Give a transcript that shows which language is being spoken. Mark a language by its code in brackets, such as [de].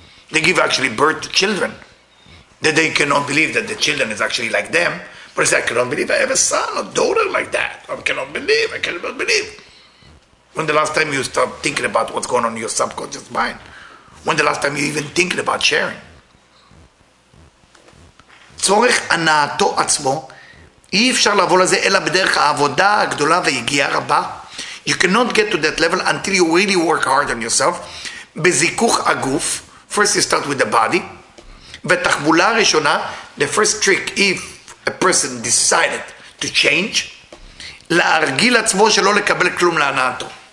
[en] They give actually birth to children that they cannot believe that the children is actually like them. But it's like, I cannot believe I have a son or daughter like that. I cannot believe. When the last time you start thinking about what's going on in your subconscious mind? When the last time you even thinking about sharing? [he] צורך הנאתו עצמו, אי אפשר לבוא לזה אלא בדרך העבודה הגדולה והגיעה רבה. [en] You cannot get to that level until you really work hard on yourself. [he] בזיכוך הגוף, [en] first you start with the body. [he] ותחבולה הראשונה, [en] the first trick, if a person decided to change, [he] להרגיל עצמו שלא לקבל כלום להנאתו.